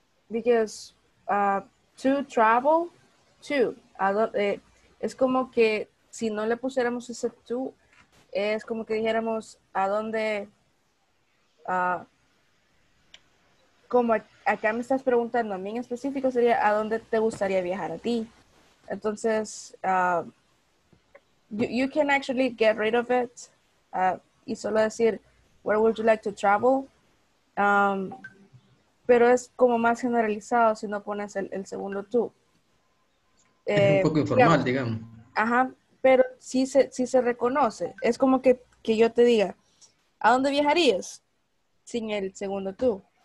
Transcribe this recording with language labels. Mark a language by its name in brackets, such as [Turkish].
[English] Because to travel, to. [Spanish] Es como que si no le pusiéramos ese to, es como que dijéramos a dónde, como acá me estás preguntando a mí en específico, sería a dónde te gustaría viajar a ti. Entonces, [English] you can actually get rid of it [Spanish] y solo decir, [English] where would you like to travel? [Spanish] Pero es como más generalizado si no pones el segundo tú. Es un poco informal, digamos. Ajá, pero sí se reconoce. Es como que yo te diga, ¿a dónde viajarías sin el segundo tú?